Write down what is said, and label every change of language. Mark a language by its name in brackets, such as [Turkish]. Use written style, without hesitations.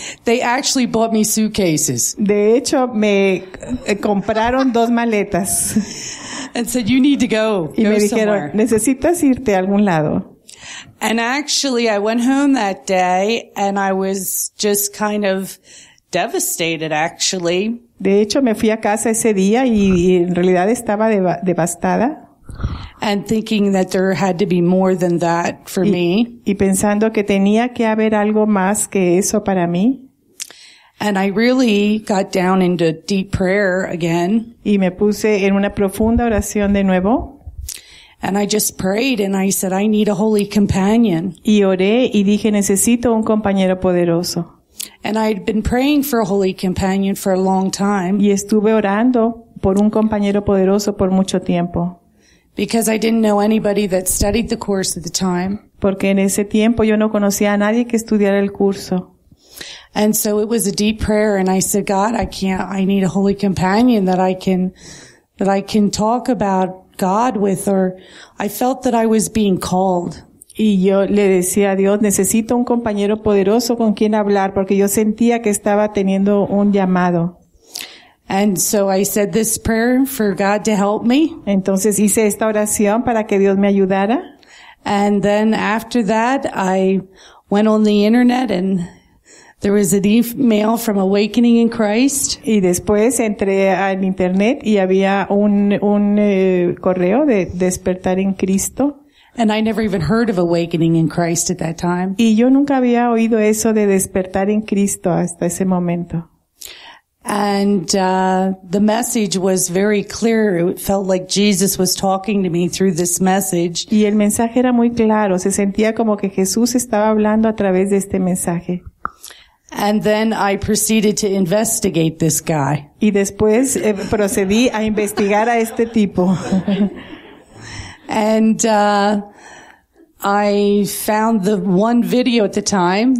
[English] They actually bought me suitcases. [Spanish] De hecho, me compraron 2 maletas. [English] And said, you need to go. [Spanish] Y me dijeron, necesitas irte a algún lado. [English] And actually, I went home that day and I was just kind of devastated, actually. [Spanish] De hecho, me fui a casa ese día y en realidad estaba devastada. [English] And thinking that there had to be more than that for me. [Spanish] Y pensando que tenía que haber algo más que eso para mí. [English] And I really got down into deep prayer again. [Spanish] Y me puse en una profunda oración de nuevo. [English] And I just prayed and I said, I need a holy companion. [Spanish] Y oré y dije, necesito un compañero poderoso. [English] And I had been praying for a holy companion for a long time. [Spanish] Y estuve orando por un compañero poderoso por mucho tiempo. [English] Because I didn't know anybody that studied the course at the time. [Spanish] Porque en ese tiempo yo no conocía a nadie que estudiara el curso. [English] And so it was a deep prayer and I said, God, I need a holy companion that I can talk about God with, or I felt that I was being called. [Spanish] Y yo le decía a Dios, necesito un compañero poderoso con quien hablar porque yo sentía que estaba teniendo un llamado. [English] And so I said this prayer for God to help me. [Spanish] Entonces hice esta oración para que Dios me ayudara. [English] And then after that I went on the internet and there was an email from Awakening in Christ. [Spanish] Y después entré al internet y había un correo de Despertar en Cristo. [English] And I never even heard of Awakening in Christ at that time. [Spanish] Y yo nunca había oído eso de Despertar en Cristo hasta ese momento. [English] And the message was very clear. It felt like Jesus was talking to me through this message. [Spanish] Y el mensaje era muy claro. Se sentía como que Jesús estaba hablando a través de este mensaje. [English] And then I proceeded to investigate this guy. [Spanish] Y después procedí a investigar a este tipo. [English] And I found the one video at the time.